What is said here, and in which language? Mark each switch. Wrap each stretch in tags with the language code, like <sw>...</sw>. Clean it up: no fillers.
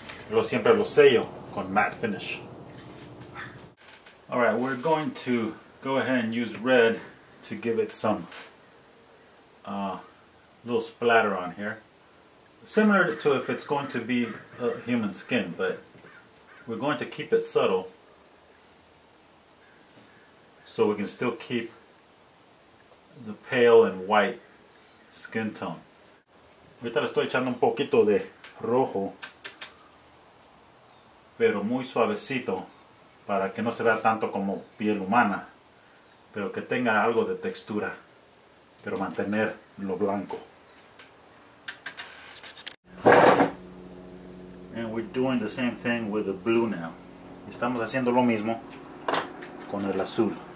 <es>Lo siempre lo sello con matte finish.</es> <en>All right, we're going to go ahead and use red to give it some little splatter on here. Similar to if it's going to be a human skin, but we're going to keep it subtle so we can still keep the pale and white skin tone.</en> <es>Ahorita le estoy echando un poquito de rojo, pero muy suavecito, para que no se vea tanto como piel humana, pero que tenga algo de textura, pero mantener lo blanco.</es> <en>And we're doing the same thing with the blue now.</en> <es>Estamos haciendo lo mismo con el azul.</es>